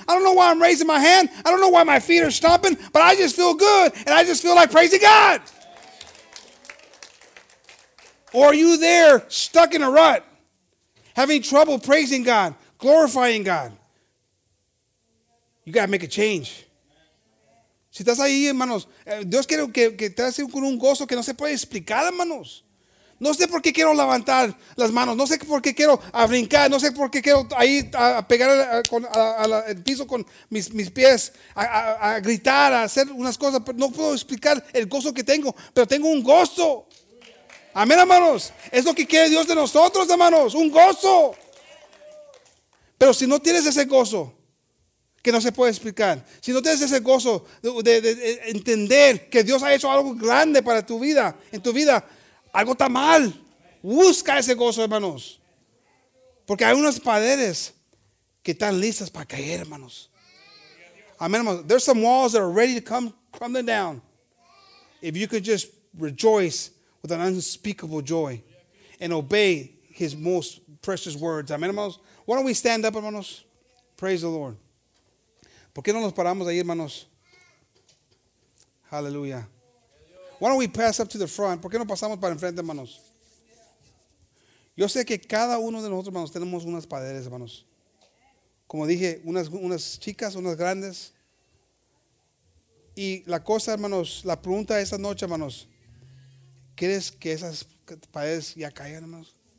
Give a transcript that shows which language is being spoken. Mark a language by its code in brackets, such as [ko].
[en] I don't know why I'm raising my hand. I don't know why my feet are stomping, but I just feel good, and I just feel like praising God. Or are you there stuck in a rut, having trouble praising God, glorifying God? You got to make a change. [es] Si estás ahí, hermanos, Dios quiere que te hagas con un gozo que no se puede explicar, hermanos. No sé por qué quiero levantar las manos. No sé por qué quiero brincar. No sé por qué quiero ahí a pegar el piso con mis pies, a gritar, a hacer unas cosas. No puedo explicar el gozo que tengo, pero tengo un gozo. Amén, hermanos. Es lo que quiere Dios de nosotros, hermanos. Un gozo. Pero si no tienes ese gozo, que no se puede explicar. Si no tienes ese gozo de entender que Dios ha hecho algo grande para tu vida, en tu vida, algo está mal. Busca ese gozo, hermanos. Porque hay unas paredes que están listas para caer, hermanos. Amén, hermanos. [en] There's some walls that are ready to come crumbling down. If you could just rejoice with an unspeakable joy and obey his most precious words. [es] Amén, hermanos. [en] Why don't we stand up, hermanos? Praise the Lord. [es] ¿Por qué no nos paramos ahí, hermanos? Hallelujah. [en] Why don't we pass up to the front? [es] ¿Por qué no pasamos para enfrente, hermanos? Yo sé que cada uno de nosotros, hermanos, tenemos unas paredes, hermanos. Como dije, unas chicas, unas grandes. Y la cosa, hermanos, la pregunta de esta noche, hermanos, ¿quieres que esas paredes ya caigan, hermanos?